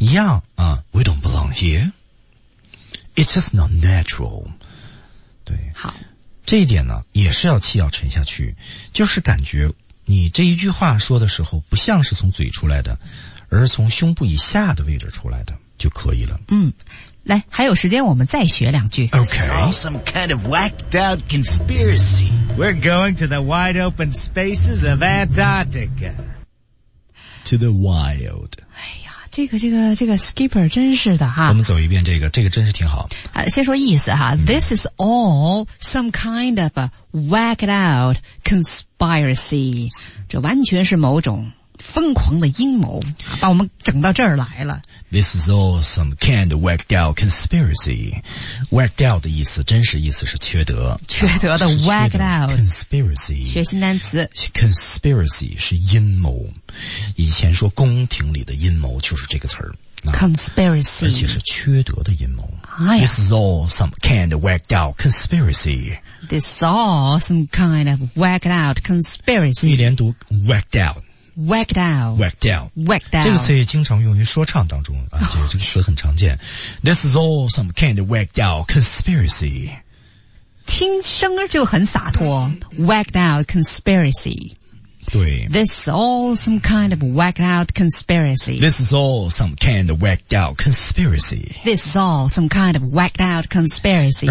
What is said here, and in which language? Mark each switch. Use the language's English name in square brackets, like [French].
[Chinese] 一样啊。 [English] We don't belong here. It's just not natural. [Chinese] 对。好。这一点呢也是要气要沉下去。就是感觉你这一句话说的时候不像是从嘴出来的，而是从胸部以下的位置出来的就可以了。嗯。来，还有时间我们再学两句。 [English] Okay. It's all some kind of whacked out conspiracy. We're going to the wide open spaces of Antarctica. To the wild. [Chinese] 哎呀，这个 skipper 真是的哈。我们走一遍这个真是挺好。先说意思哈、 [English] This is all some kind of a whacked out conspiracy. [Chinese] 这完全是某种疯狂的阴谋，把我们整到这儿来了。 [English] This is all some kind of whacked out conspiracy. [Chinese] Whacked out 的意思，真实意思是缺德。缺德的 whacked out [English] conspiracy. [Chinese] 学新单词。 Conspiracy 是阴谋，以前说宫廷里的阴谋就是这个词儿。 [English] Conspiracy. [Chinese] 而且是缺德的阴谋。哎、 [English] This is all some kind of whacked out conspiracy. This is all some kind of whacked out conspiracy. [Chinese] 一连读 whacked out. [English] Whacked out. Whacked out. Whacked out. [Chinese] 这个词也经常用于说唱当中、这个词很常见。 [English] This is all some kind of whacked out conspiracy. [Chinese] 听声就很洒脱。 [English] Whacked out conspiracy. [Chinese] 对。 [English] This is all some kind of whacked out conspiracy. This is all some kind of whacked out conspiracy. This is all some kind of whacked out conspiracy.